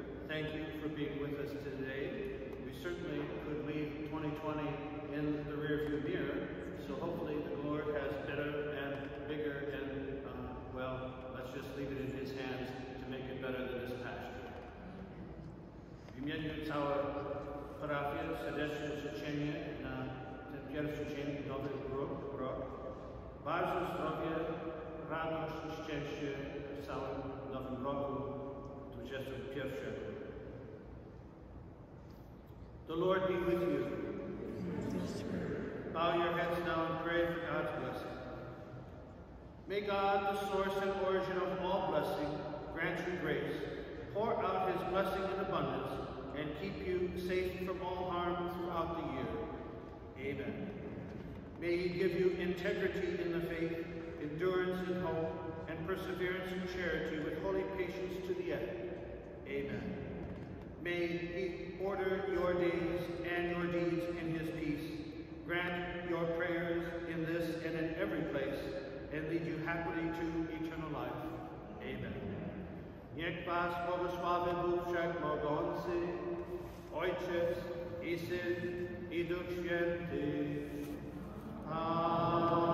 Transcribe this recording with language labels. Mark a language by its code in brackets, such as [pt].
[en] Thank you for being with us today. We certainly could leave 2020 in the rearview mirror, so hopefully the Lord has better and bigger and, well, let's just leave it in His hands to make it better than this past year. [pl] W imieniu całej parafii serdecznie życzenie na ten pierwszy dzień nowy rok. Bardzo zdrowie, radość, szczęście w całym nowym roku 2021. [en] The Lord be with you. Bow your heads now and pray for God's blessing. May God, the source and origin of all blessing, grant you grace, pour out His blessing in abundance, and keep you safe from all harm throughout the year. Amen. May He give you integrity in the faith, endurance in hope, and perseverance in charity with holy patience to the end. Amen. May He order your days and your deeds in His peace, grant your prayers in this and in every place, and lead you happily to eternal life. Amen. [pl] Niech was błogosławi Bóg wszechmogący, Ojcze i Syn i Duch Święty. Amen.